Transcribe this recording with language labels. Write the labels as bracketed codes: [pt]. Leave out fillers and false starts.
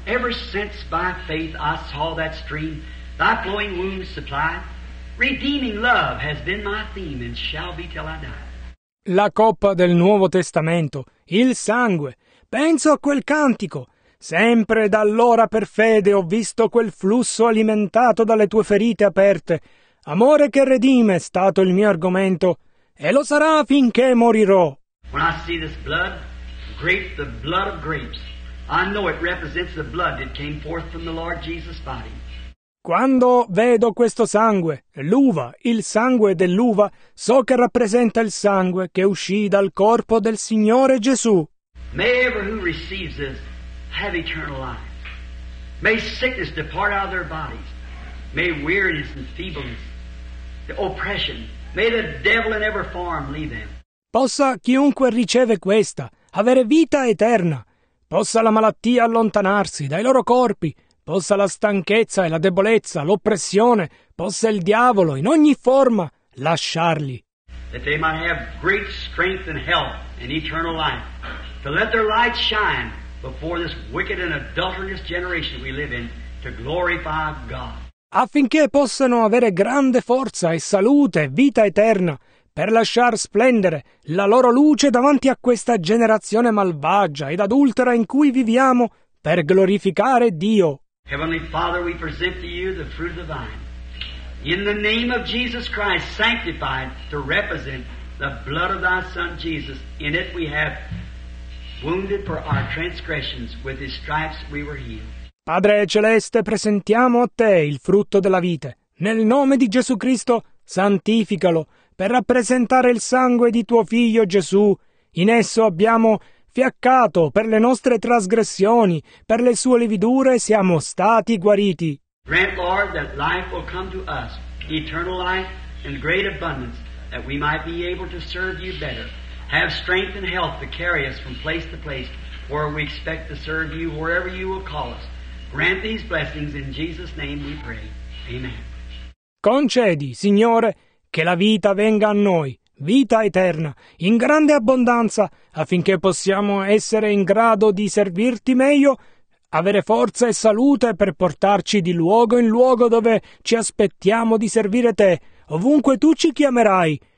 [en] Ever since by faith I saw that stream, thy flowing wounds supply, redeeming love has been my theme and shall be till I die. [it] La coppa del Nuovo Testamento, il sangue. Penso a quel cantico. Sempre da allora per fede ho visto quel flusso alimentato dalle tue ferite aperte. Amore che redime è stato il mio argomento e lo sarà finché morirò. [en] When I see this blood, grape, the blood of grapes, I know it represents the blood that came forth from the Lord Jesus' body. [it] Quando vedo questo sangue, l'uva, il sangue dell'uva, so che rappresenta il sangue che uscì dal corpo del Signore Gesù. [en] May everyone who receives this have eternal life. May sickness depart out of their bodies. May weariness and feebleness, the oppression, may the devil in every form leave them. [it] Possa chiunque riceve questa avere vita eterna. Possa la malattia allontanarsi dai loro corpi. Possa la stanchezza e la debolezza, l'oppressione, possa il diavolo in ogni forma lasciarli. [en] That they might have great strength and health and eternal life. To let their light shine before this wicked and adulterous generation we live in, to glorify God. [it] Affinché possano avere grande forza e salute e vita eterna, per lasciar splendere la loro luce davanti a questa generazione malvagia ed adultera in cui viviamo, per glorificare Dio. [en] Heavenly Father, we present to you the fruit of the vine. In the name of Jesus Christ, sanctified to represent the blood of thy Son Jesus. In it we have wounded for our transgressions. With his stripes we were healed. [it] Padre Celeste, presentiamo a te il frutto della vite. Nel nome di Gesù Cristo, santificalo per rappresentare il sangue di tuo figlio Gesù. In esso abbiamo fiaccato per le nostre trasgressioni, per le sue lividure siamo stati guariti. [en] Grant, Lord, that life will come to us, eternal life and great abundance, that we might be able to serve you better. Have strength and health to carry us from place to place where we expect to serve you, wherever you will call us. Grant these blessings in Jesus' name we pray. Amen. [it] Concedi, Signore, che la vita venga a noi, vita eterna, in grande abbondanza, affinché possiamo essere in grado di servirti meglio, avere forza e salute per portarci di luogo in luogo dove ci aspettiamo di servire te, ovunque tu ci chiamerai.